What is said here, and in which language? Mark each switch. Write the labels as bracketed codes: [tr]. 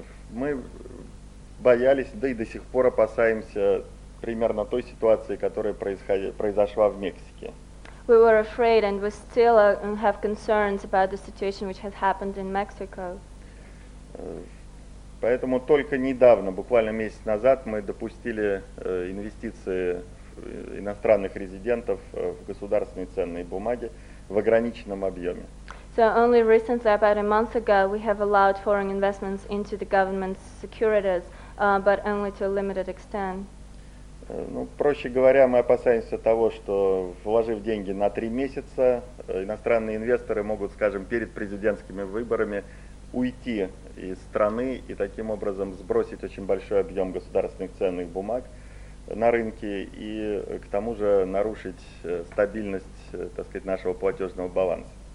[ru] Мы боялись, да и до сих пор опасаемся примерно той ситуации, которая произошла в Мексике. [en] We were afraid and we still have concerns about the situation which has happened in Mexico. [ru] Поэтому только недавно, буквально месяц назад, мы допустили инвестиции иностранных резидентов в государственные ценные бумаги в ограниченном объеме. [en] So only recently, about a month ago, we have allowed foreign investments into the government's securities, but only to a limited extent. [ru] Ну, проще говоря, мы опасаемся того, что вложив деньги на 3 месяца, иностранные инвесторы могут, скажем, перед президентскими выборами уйти из страны и таким образом сбросить очень большой объем государственных ценных бумаг на рынке и к тому же нарушить стабильность, так сказать, нашего платежного баланса.